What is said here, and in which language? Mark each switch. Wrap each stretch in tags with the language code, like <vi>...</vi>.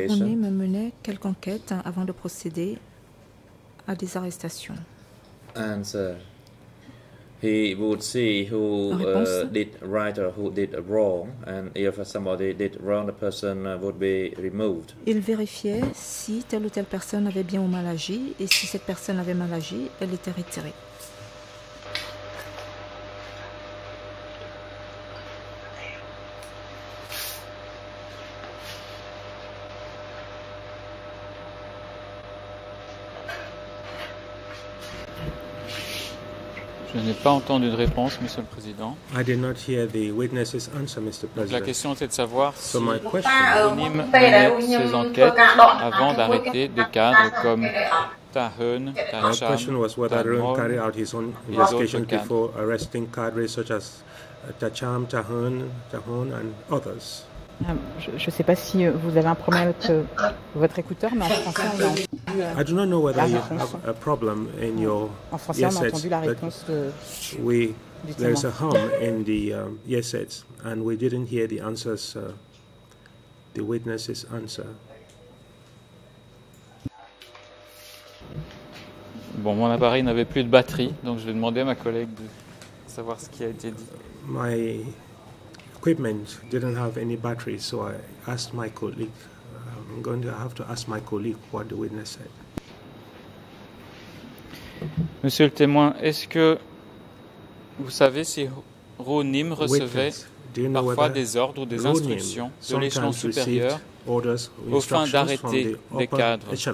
<fr>Est-ce que Roo Nim menait quelque enquête avant de procéder à des arrestations?</fr> <en>Answer. He would see who did right or who did wrong, and if somebody did wrong, the person would be removed.</en> <fr>Il vérifiait si telle ou telle personne avait bien ou mal agi, et si cette personne avait mal agi, elle était retirée. Je n'ai pas entendu de réponse, Monsieur le Président.</fr> <en>I did not hear the witness's answer, Mr. President.</en> <fr>Donc la question était de savoir si</fr> <en>so</en> <fr>Roo Nim menait ses enquêtes avant d'arrêter des cadres comme Ta Hearn, Ta Cham,</fr> <en>My question was whether Roo Nim carried out his own investigation before arresting cadres such as Ta Cham, Ta Hearn, Ta Hearn and others.</en> <fr>Je ne sais pas si vous avez un problème avec votre écouteur, mais en français, on a entendu la</fr> <en>I do not know whether you have a problem in your</en> <fr>En français, on a entendu la réponse de. Oui,</fr> <en>there is a hum in the yes sets, and we didn't hear the answers, the witness's answer.</en> <fr>Bon, mon appareil n'avait plus de batterie, donc je vais demander à ma collègue de savoir ce qui a été dit.</fr> <en>My equipment didn't have any battery, so I asked my colleague. I'm going to have to ask my colleague what the witness said.</en> <fr>Monsieur le témoin, est-ce que vous savez si Roo Nim recevait parfois des ordres ou des instructions de l'échelon supérieur au fin d'arrêter des cadres?</fr>